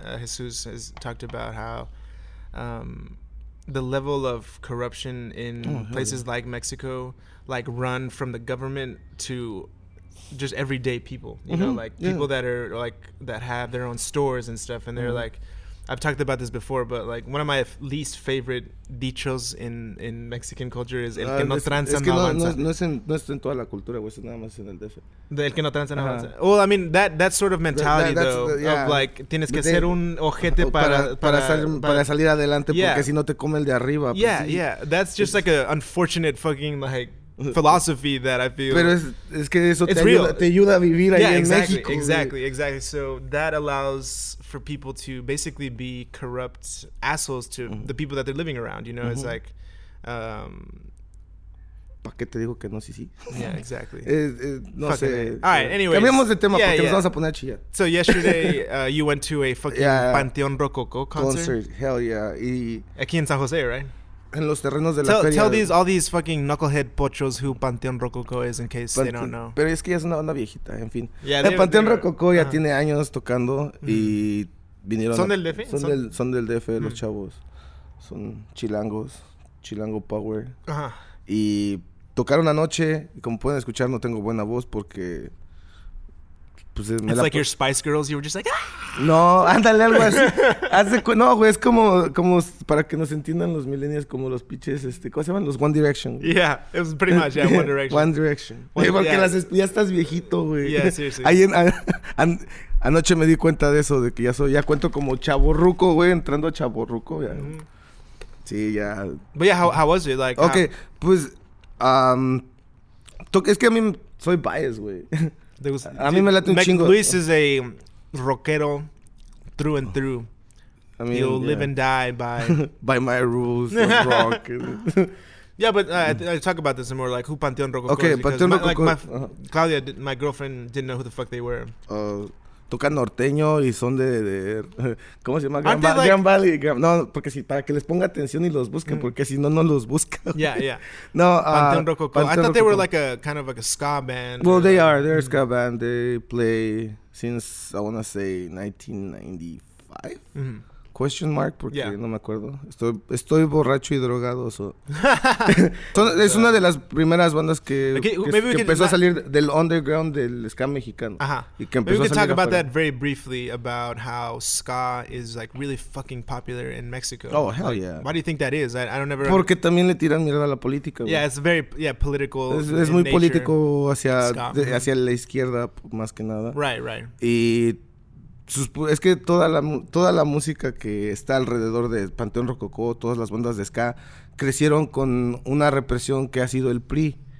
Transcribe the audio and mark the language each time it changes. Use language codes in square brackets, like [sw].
[en] Jesus has talked about how the level of corruption in places like Mexico, like run from the government to just everyday people, you know, like people that are like that have their own stores and stuff, and they're like, I've talked about this before, but like one of my least favorite dichos in Mexican culture is el que no tranza no avanza. [es] No es en toda la cultura, güey, nada más en el DF. El que no tranza no avanza. Well, I mean that sort of mentality though, of like tienes que ser un ojete para salir adelante porque si no te come el de arriba. [en] Yeah, yeah, that's just like an unfortunate fucking like philosophy that I feel. [es] Pero es que eso te ayuda a vivir ahí en México. [en] Exactly. So that allows for people to basically be corrupt assholes to the people that they're living around. You know, it's like. [es] ¿Para qué te digo que no? Sí, sí. [en] Yeah, exactly. [es] No fucking sé. [en] Man. All right, anyways. [es] Cambiamos de tema porque nos vamos a poner a chillar. [en] So yesterday you went to a fucking Panteón Rococo concert. Hell yeah. [es] Aquí en San José, right? En los terrenos de [en] Tell these all these fucking knucklehead pochos who Panteón Rococo is in case they don't know. [es] Pero es que ya es una banda viejita, en fin. Yeah, el Panteón Rococo ya tiene años tocando y vinieron. ¿Son del DF? Son del DF, los chavos. Son chilangos, chilango power. Ajá. Y tocaron anoche, y como pueden escuchar no tengo buena voz porque pues [en] me It's la like your Spice Girls, you were just like, ¡ah! [es] No, ándale, algo así. No, güey, es como para que nos entiendan los millennials, como los pinches, ¿cómo se llaman? Los One Direction. [en] Güey. Yeah, it was pretty much, yeah, One Direction. [es] One Direction. Porque ya estás viejito, güey. [en] Yeah, seriously. [es] Anoche me di cuenta de eso, de que ya cuento como chavorruco, güey, entrando a chavorruco, ya. Mm-hmm. Sí, ya. [en] But yeah, how was it? Like, [es] okay, es que a mí soy biased, güey. A mí me late un chingo. [en] Luis is a rockero through and through. I mean, you'll live and die by by my rules of rock. Yeah, but I talk about this more like who Panteón Rococo. Okay, Panteón Rococo. Claudia, my girlfriend, didn't know who the fuck they were. [es] Tocan norteño y son de ¿cómo se llama? Gran Valley. No, porque si para que les ponga atención y los busquen, porque si no los busca. [en] Yeah, yeah. [es] No, [en] Panteón Rococo. I thought they were like a kind of like a ska band. Well, they like, are. They're a ska band. They play since I want to say 1995. [es] Question mark, porque no me acuerdo. Estoy borracho y drogado. Es una de las primeras bandas que empezó a salir del underground del ska mexicano. [en] Uh-huh. Y que empezó maybe we can talk about that very briefly, about how ska is like really fucking popular in Mexico. Oh, hell yeah. Why do you think that is? I don't ever... [es] Porque también le tiran mierda a la política. [en] Yeah, it's very political. [es] Es muy político hacia la izquierda, más que nada. [en] Right. [es] Y... es que toda la música que está alrededor de Panteón Rococó, todas las bandas de ska, crecieron con una represión que ha sido el PRI.